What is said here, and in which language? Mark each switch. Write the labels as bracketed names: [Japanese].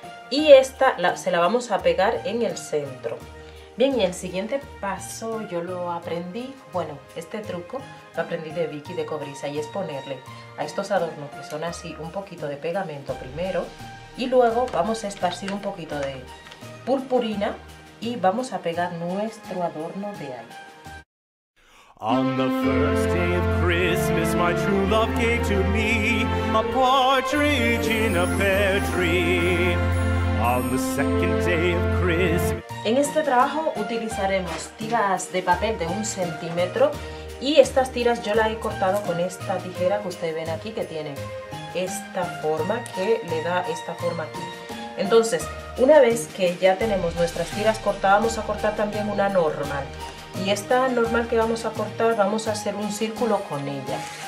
[Spanish] Y esta se la vamos a pegar en el centro. Bien, y el siguiente paso yo lo aprendí, bueno, este truco lo aprendí de Vicky de Cobrisa, y es ponerle a estos adornos que son así un poquito de pegamento primero y luego vamos a esparcir un poquito de purpurina y vamos a pegar nuestro adorno de ahí. [English] On the first day of Christmas my true love gave to me a partridge in a pear tree. On the second day of Christmas. [Spanish] En este trabajo utilizaremos tiras de papel de 1 centímetro y estas tiras yo las he cortado con esta tijera que ustedes ven aquí, que tiene esta forma, que le da esta forma aquí. Entonces, una vez que ya tenemos nuestras tiras cortadas, vamos a cortar también una normal. Y esta normal que vamos a cortar, vamos a hacer un círculo con ella.